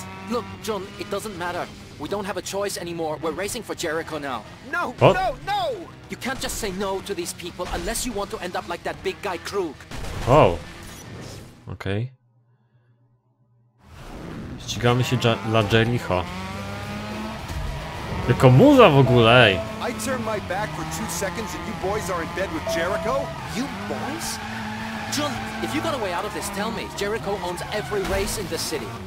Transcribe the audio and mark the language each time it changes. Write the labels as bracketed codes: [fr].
[en] Look, John, it doesn't matter. We don't have a choice anymore. We're racing for Jericho now. No, no, no! You can't just say no to these people unless you want to end up like that big guy Krug. Oh. Okej. Okay. [pl] Ścigamy się dla Jericho. Tylko muza w ogóle. [en] I turn my back for 2 seconds and you boys are in bed with Jericho? You boys? John, if you got a way out of this, tell me. Jericho owns every race in the city.